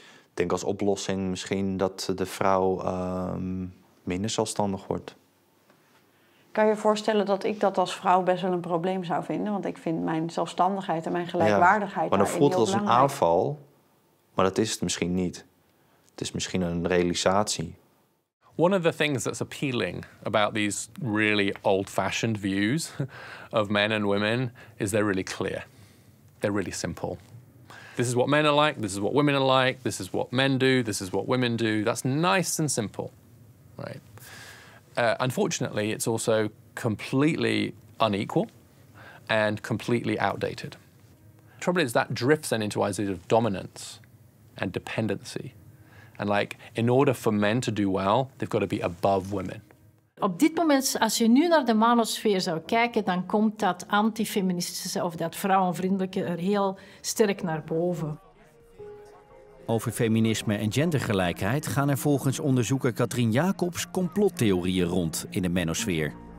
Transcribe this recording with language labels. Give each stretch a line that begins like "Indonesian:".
Dutch: Ik denk als oplossing misschien dat de vrouw minder zelfstandig wordt. Kan je voorstellen dat ik dat als vrouw best wel een probleem zou vinden? Want ik vind mijn zelfstandigheid en mijn gelijkwaardigheid daarin heel belangrijk. Maar dan voelt het als een aanval, maar dat is het misschien niet. Het is misschien een realisatie.
English: One of the things that's appealing about these really old-fashioned views of men and women is they're really clear. They're really simple. This is what men are like, this is what women are like, this is what men do, this is what women do. That's nice and simple, right? Unfortunately, it's also completely unequal and completely outdated. The trouble is that drifts then into ideas of dominance and dependency. And like, in order for men to do well, they've got to be above women.
Dutch: Op dit moment, als je nu naar de manosfeer zou kijken, dan komt dat antifeministische of dat vrouwenvriendelijke er heel sterk naar boven. Over feminisme en gendergelijkheid gaan er volgens onderzoeker Katrien Jacobs complottheorieën rond in de manosfeer.